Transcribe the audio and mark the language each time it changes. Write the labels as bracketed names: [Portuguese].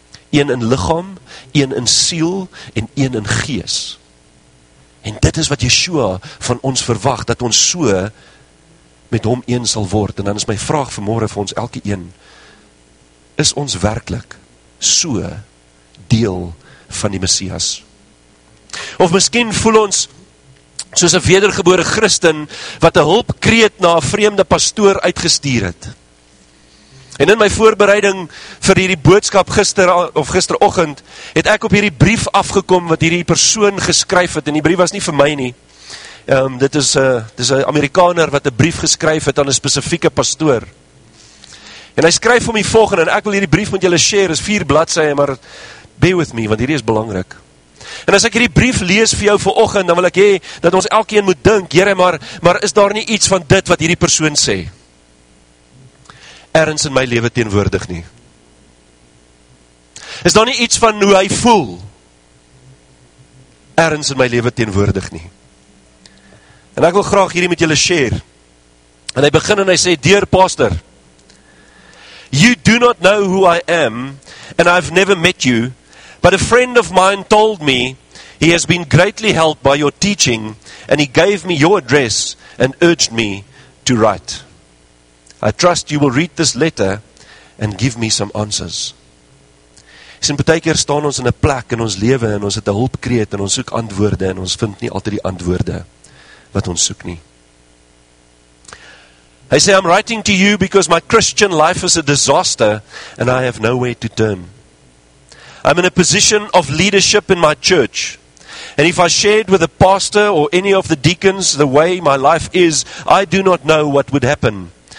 [Afrikaans] Een in liggaam, een in siel en een in gees. En dit is wat Yeshua van ons verwag, dat ons so met hom een sal word. En dan is my vraag vanmorgen vir ons elke een, is ons werkelijk so deel van die Messias? Of miskien voel ons soos 'n wedergebore Christen, wat 'n hulpkreet na 'n vreemde pastoor uitgestuur het. En in my voorbereiding vir hierdie boodskap gister of gisteroggend het ek op hierdie brief afgekom wat hierdie persoon geskryf het, en die brief was nie vir my nie. Dit is 'n Amerikaner wat 'n brief geskryf het aan 'n spesifieke pastoor. En hy skryf hom die volgende, en ek wil hierdie brief met julle share, is 4 bladsye, maar [English] be with me, [Afrikaans] want hierdie is belangrik. En as ek hierdie brief lees vir jou vanoggend, dan wil ek hê dat ons elkeen moet dink, Here, maar is daar nie iets van dit wat hierdie persoon sê ergens in my lewe teenwoordig nie? Is daar nie iets van hoe hy voel ergens in my lewe teenwoordig nie? En ek wil graag hierdie met julle share. En hy begin en hy sê, [English] Dear pastor, you do not know who I am, and I've never met you, but a friend of mine told me he has been greatly helped by your teaching, and he gave me your address and urged me to write. I trust you will read this letter and give me some answers. [Afrikaans] Sien, baie keer staan ons in 'n plek in ons lewe en ons het 'n hulpkreet en ons soek antwoorde en ons vind nie altyd die antwoorde wat ons soek nie. Hy sê, [English] I'm writing to you because my Christian life is a disaster and I have nowhere to turn. I'm in a position of leadership in my church. And if I shared with a pastor or any of the deacons the way my life is, I do not know what would happen.